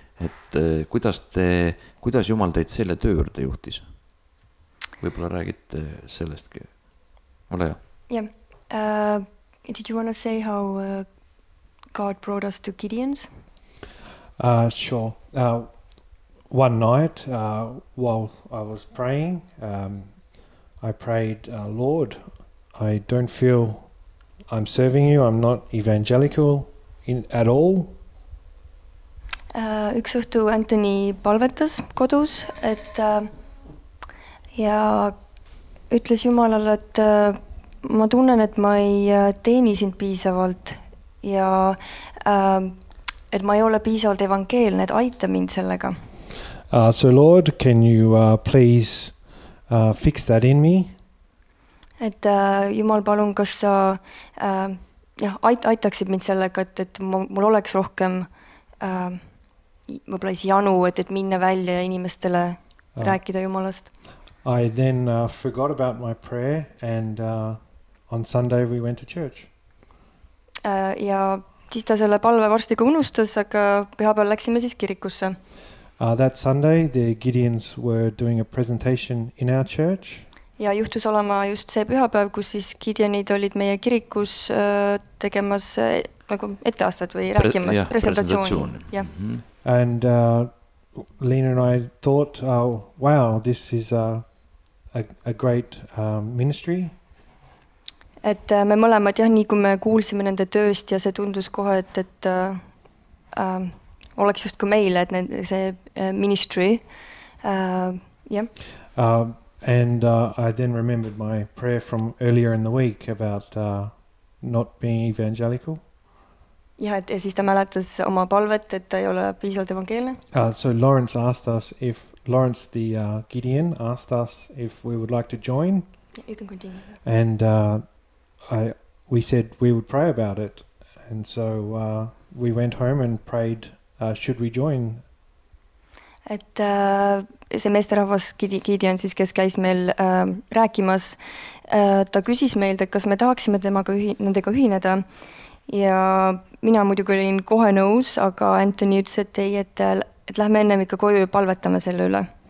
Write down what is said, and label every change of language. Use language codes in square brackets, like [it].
[et] Et kuidas Jumal teid selle töö juurde juhtis? Võibolla räägite sellestki. Ole hea. [en] Yeah. Did you want to say how God brought us to Gideon's? Sure. One night while I was praying, I prayed, Lord, I don't feel I'm serving you. I'm not evangelical at all. [et] Üks õhtu Anthony palvetas kodus, et ja ütles Jumalal, et ma tunnen, et ma ei teeni sind piisavalt ja et ma ei ole piisavalt evangeelne, et aita mind sellega. [en] So Lord, can you please fix that in me? [et] Et Jumal palun, kas sa aitaksid mind sellega, et mul oleks rohkem võibolla siis janu, et minna välja ja inimestele rääkida Jumalast. [en] I then forgot about my prayer and on Sunday we went to church. [et] Ja siis ta selle palve varsti ka unustas, aga pühapäeval läksime siis kirikusse. [en] That Sunday the Gideons were doing a presentation in our church. [et] Ja juhtus olema just see pühapäev, kus siis Gideonid olid meie kirikus tegemas nagu etteastat või rääkimas presentatsiooni. Ja. [en] And Lena and I thought, wow, this is a great ministry. [et] Et me mõlemad, jah, nii kui me kuulsime nende tööst ja see tundus kohe, et oleks just ka meile, et see ministry. [en] And I then remembered my prayer from earlier in the week about not being evangelical. [et] Ja, et, ja siis ta mäletas oma palvet, et ta ei ole piisavalt evangeelne. [en] So Lawrence asked us if Lawrence the Gideon asked us if we would like to join. You can continue. And we said we would pray about it. And so we went home and prayed should we join. [et] Et see meesterahvas Gideon siis kes käis meil rääkimas, ta küsis meilt, et kas me tahaksime temaga nendega ühineda. Ja mina muidugi olin kohe nõus, aga Anthony ütles, et ei, et lähme ennem ikka koju ja palvetame selle üle.